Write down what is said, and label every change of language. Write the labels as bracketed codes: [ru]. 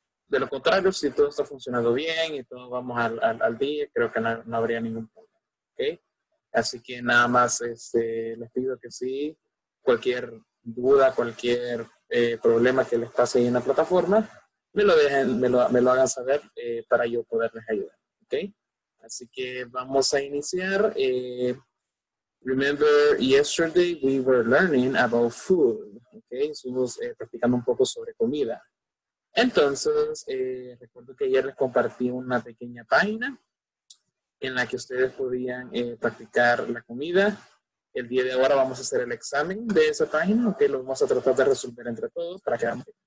[es] De lo contrario, si todo está funcionando bien y todo vamos al día, creo que no habría ningún problema. ¿Okay? Así que nada más les pido que sí, cualquier duda, cualquier problema que les pase ahí en la plataforma, me lo hagan saber para yo poderles ayudar. ¿Okay? Así que vamos a iniciar. [en] Remember, yesterday we were learning about food, okay? [es] Estuvimos practicando un poco sobre comida. Entonces, recuerdo que ayer les compartí una pequeña página en la que ustedes podían practicar la comida. El día de ahora vamos a hacer el examen de esa página, okay? Lo vamos a tratar de resolver entre todos para que vamos.